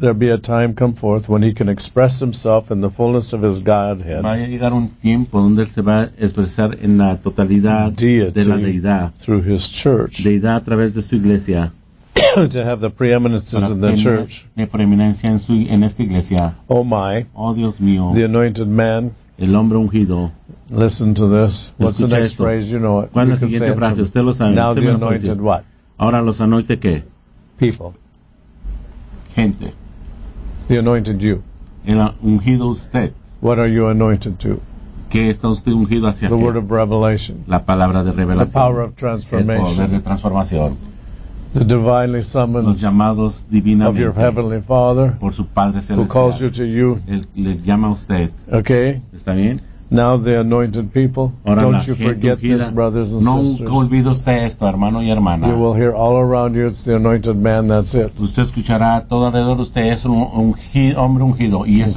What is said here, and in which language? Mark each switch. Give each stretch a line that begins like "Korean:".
English: there be a time come forth when he can express himself in the fullness of his Godhead.
Spanish: Va a llegar un tiempo donde él se va a expresar en la totalidad
English: deity
Spanish: de la deidad
English: through his church.
Spanish: Deidad a través de su iglesia.
English: To have the preeminences in the church.
Spanish: La preeminencia en esta iglesia.
English: Oh my!
Spanish: Oh Dios mío!
English: The anointed man.
Spanish: El hombre ungido.
English: Listen to this.
Spanish: Escucha
English: what's the next
Spanish: esto.
English: Phrase? You know it.
Spanish: ¿Cuál es la siguiente frase? Usted lo sabe.
English: Now the anointed what?
Spanish: Ahora los anointed qué?
English: People.
Spanish: Gente.
English: The anointed you.
Spanish: El ungido usted.
English: What are you anointed to?
Spanish: ¿Qué está usted ungido hacia?
English: The
Spanish: qué?
English: Word of revelation.
Spanish: La palabra de revelación.
English: The power of transformation.
Spanish: El poder de transformación.
English: The divinely summons.
Spanish: Los llamados divinamente.
English: Of your heavenly Father.
Spanish: Por su Padre celestial.
English: Who calls you to you.
Spanish: Él le llama a usted.
English: Okay.
Spanish: ¿Está bien?
English: Now the anointed people.
Spanish: Ahora
English: don't you forget
Spanish: ungida.
English: This, brothers and
Spanish: no
English: sisters.
Spanish: No olvide usted esto, hermano y hermana.
English: You will hear all around you, it's the anointed man, that's it.
Spanish: Usted escuchará todo alrededor de usted, es un hombre ungido, y eso